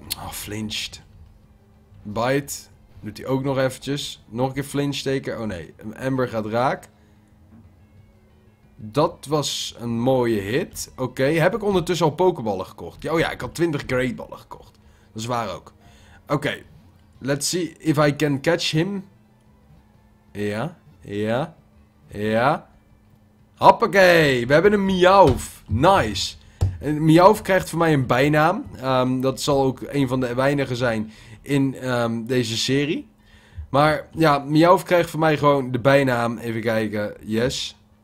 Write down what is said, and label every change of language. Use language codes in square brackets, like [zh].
[nl] Flinched. Bite. Doet hij ook nog eventjes. Nog een keer flinch steken. Oh nee, een Ember gaat raak. Dat was een mooie hit. Oké, heb ik ondertussen al pokeballen gekocht? Ja, oh ja, ik had 20 greatballen gekocht. Dat is waar ook. Oké. [en] Let's see if I can catch him. [nl] Ja, ja, ja. Hoppakee, we hebben een Meowf. Nice. En Meowf krijgt van mij een bijnaam. Dat zal ook een van de weinige zijn in deze serie. Maar ja, Meowf krijgt van mij gewoon de bijnaam. Even kijken, yes.